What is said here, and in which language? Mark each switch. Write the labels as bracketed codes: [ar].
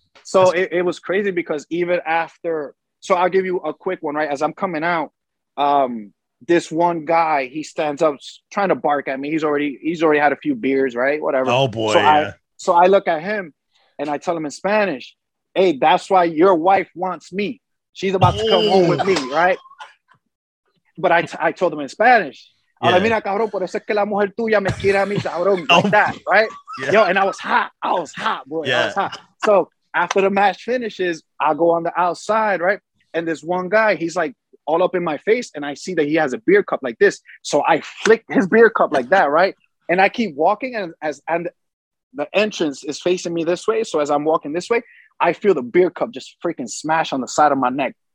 [en] So it was crazy because even after, so I'll give you a quick one, right? As I'm coming out, this one guy, he stands up trying to bark at me. He's already had a few beers, right? Whatever. Oh boy. So I look at him. And I tell him in Spanish, hey, that's why your wife wants me. She's about to come home with me, right? But I told him in Spanish. Yeah. [es] Ahora mira, cabrón, por eso es que la mujer tuya me quiere a mí, cabrón. [en] Like that, right? Yeah. Yo, and I was hot, boy. Yeah. I was hot. So after the match finishes, I go on the outside, right? And this one guy, he's like all up in my face. And I see that he has a beer cup like this. So I flick his beer cup like that, right? And I keep walking and the entrance is facing me this way. So as I'm walking this way, I feel the beer cup just freaking smash on the side of my neck.